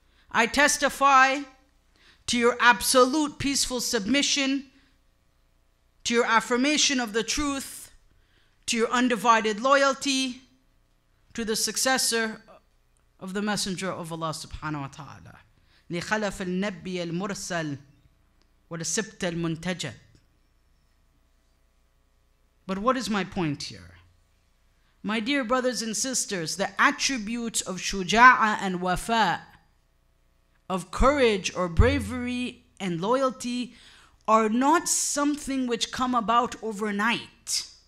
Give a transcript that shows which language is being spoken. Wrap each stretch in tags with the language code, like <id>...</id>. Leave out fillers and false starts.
<en>I testify to your absolute peaceful submission, to your affirmation of the truth, to your undivided loyalty, to the successor of the Messenger of Allah subhanahu wa ta'ala.</en> <ar>لخلف النبي المرسل والسبت المنتجب.</ar> <en>But what is my point here? My dear brothers and sisters, the attributes of shuja'a and wafa, of courage or bravery and loyalty, are not something which come about overnight.</en>